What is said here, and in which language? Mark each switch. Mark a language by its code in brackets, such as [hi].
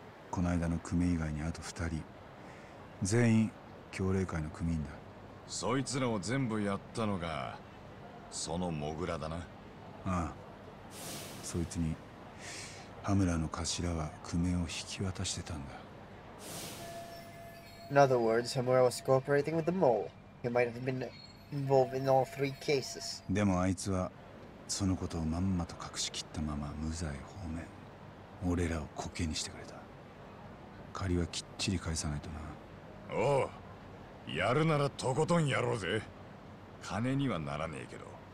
[ja] この間の組以外にあと2人、全員協力会の組員だ。そいつらを全部やったのがそのモグラだな。ああ、そいつにハムラの頭は組を引き渡してたんだ。 [en] In other words, Hamura was cooperating with the mole. He might have been involved in all three cases. [ja] でもあいつはそのことをまんまと隠し切ったまま無罪放免。俺らをコケにしてくれた。借りはきっちり返さないとな。おう、やるならとことんやろうぜ。金にはならねえけど。